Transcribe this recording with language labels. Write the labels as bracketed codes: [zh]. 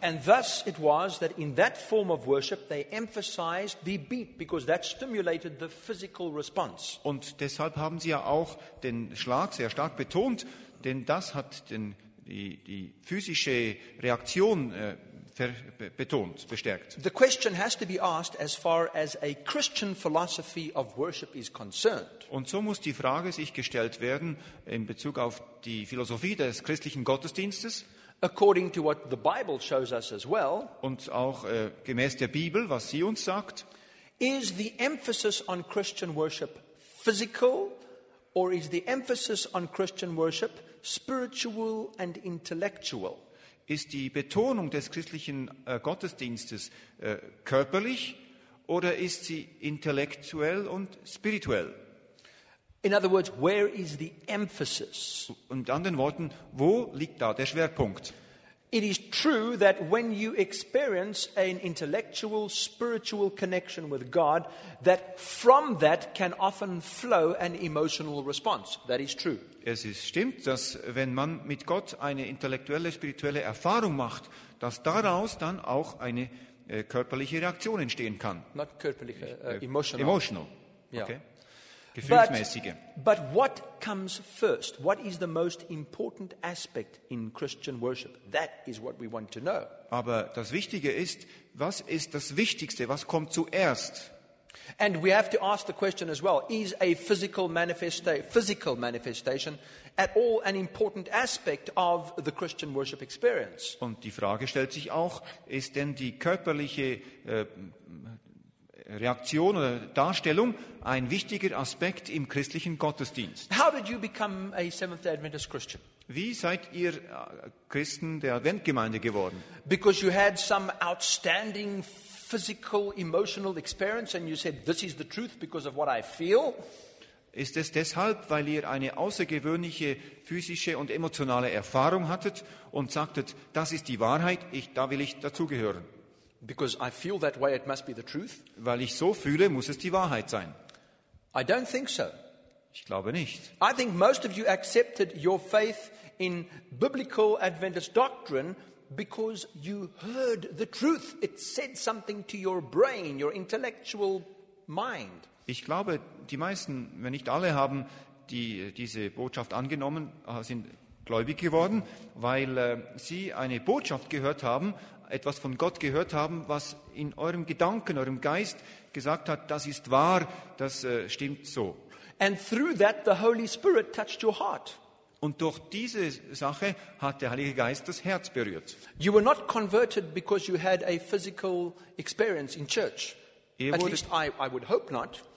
[en] And thus it was that in that form of worship they emphasized the beat because that stimulated the physical response. [de] Und deshalb haben sie ja auch den Schlag sehr stark betont, denn das hat die physische Reaktion betont, bestärkt. [en] The question has to be asked as far as a Christian philosophy of worship is concerned. [de] Und so muss die Frage sich gestellt werden in Bezug auf die Philosophie des christlichen Gottesdienstes. [en] According to what the Bible shows us as well. [de] Und auch gemäß der Bibel, was sie uns sagt. [en] Is the emphasis on Christian worship physical or is the emphasis on Christian worship spiritual and intellectual? [de] Ist die Betonung des christlichen Gottesdienstes körperlich oder ist sie intellektuell und spirituell? [en] In other words, where is the emphasis? [de] Und in anderen Worten, wo liegt da der Schwerpunkt? [en] It is true that when you experience an intellectual, spiritual connection with God, that from that can often flow an emotional response. That is true. [de] Es ist stimmt, dass wenn man mit Gott eine intellektuelle, spirituelle Erfahrung macht, dass daraus dann auch eine körperliche Reaktion entstehen kann. [en] Not körperliche, emotional. Emotional, yeah. Okay. Gefühlsmäßige. But what comes first? What is the most important aspect in Christian worship? That is what we want to know. [de] Aber das Wichtige ist, was ist das Wichtigste? Was kommt zuerst? [en] And we have to ask the question as well, is a physical manifestation at all an important aspect of the Christian worship experience? [de] Und die Frage stellt sich auch, ist denn die körperliche Reaktion oder Darstellung ein wichtiger Aspekt im christlichen Gottesdienst? [en] How did you become a Seventh-day Adventist Christian? [de] Wie seid ihr Christen der Adventgemeinde geworden? [en] Because you had some outstanding physical, emotional experience, and you said, "This is the truth because of what I feel." [de] Ist es deshalb, weil ihr eine außergewöhnliche physische und emotionale Erfahrung hattet und sagtet, das ist die Wahrheit, da will ich dazugehören? [en] Because I feel that way, it must be the truth. [de] Weil ich so fühle, muss es die Wahrheit sein. [en] I don't think so. [de] Ich glaube nicht. [en] I think most of you accepted your faith in biblical Adventist doctrine because you heard the truth. It said something to your brain, your intellectual mind. [de] Ich glaube, die meisten, wenn nicht alle, haben diese Botschaft angenommen, sind gläubig geworden, weil sie eine Botschaft gehört haben, etwas von Gott gehört haben, was in eurem Gedanken, eurem Geist gesagt hat, das ist wahr, das stimmt so. [en] And through that the Holy Spirit touched your heart. [de] Und durch diese Sache hat der Heilige Geist das Herz berührt. [en] You were not converted because you had a physical experience in church. At least I would hope not.